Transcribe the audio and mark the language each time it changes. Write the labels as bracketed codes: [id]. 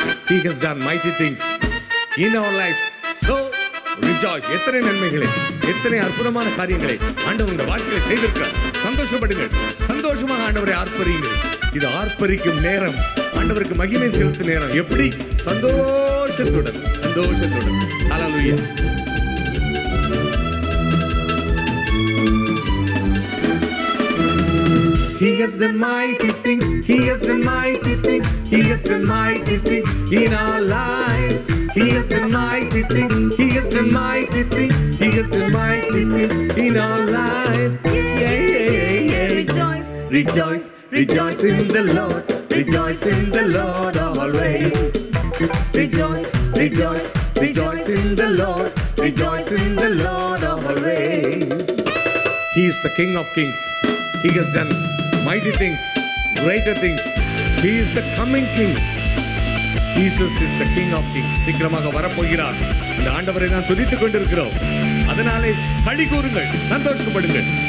[en] He has done mighty things in our lives. So rejoice. [ta] எத்தனை நன்மைகளை, எத்தனை அற்புதமான காரியங்களை ஆண்டவர் உங்கள் வாழ்க்கையில் செய்திருக்கிறார். சந்தோஷப்படுங்கள், சந்தோஷமாக ஆண்டவரை ஆர்ப்பரியுங்கள். இது ஆர்ப்பரிக்கும் நேரம், ஆண்டவருக்கு மகிமை செலுத்தும் நேரம். எப்படி? சந்தோஷத்துடன், சந்தோஷத்துடன். Hallelujah. [en] He has done mighty things, He has done mighty things, He has done mighty things in our lives. He has done mighty things, He has done mighty things, He has done mighty things in our lives. Yeah, yeah, yeah, yeah, yeah. Rejoice, rejoice, rejoice in the Lord, rejoice in the Lord always. Rejoice, rejoice, rejoice in the Lord, rejoice in the Lord always. He is the King of Kings. He has done mighty things, greater things. He is the coming King. Jesus is the King of Kings. [ta] சீக்கிரமாக வரப்போகிறார். இந்த ஆண்டவரை தான் துதித்துக் கொண்டிருக்கிறோம். அதனாலே பழி கூறுங்கள், சந்தோஷப்படுங்கள்.